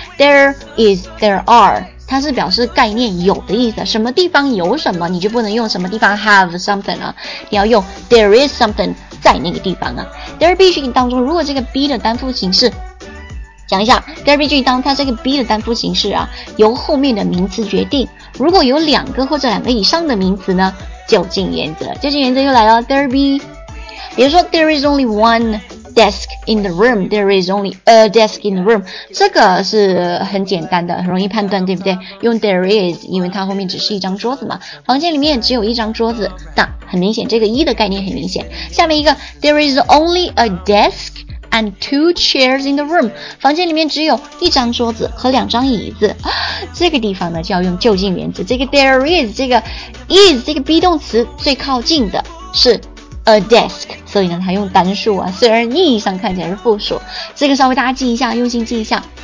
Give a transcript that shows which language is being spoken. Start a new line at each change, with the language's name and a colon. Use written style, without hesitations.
Chinese: there is there are， 它是表示概念有的意思，什么地方有什么，你就不能用什么地方 have something 啊，你要用
English: there is something
Chinese: 在那个地方啊。 there be 句型当中，如果这个 be 的单数形式，讲一下 there be 句当它这个 be 的单数形式啊，由后面的名词决定，如果有两个或者两个以上的名词呢，究竟原则又来了。
English: there be， 比如说 there is only one desk in the room， there is only a desk in the room，
Chinese: 这个是很简单的，很容易判断，对不对？用 there is， 因为它后面只是一张桌子嘛，房间里面只有一张桌子，那很明显这个一的概念很明显。下面一个
English: there is only a desk and two chairs in the room，
Chinese: 房间里面只有一张桌子和两张椅子，这个地方呢就要用就近原则。这个 there is， 这个 is， 这个 be 动词最靠近的是 a desk， 所以呢它用单数啊，虽然意义上看起来是复数，这个稍微大家记一下，用心记一下。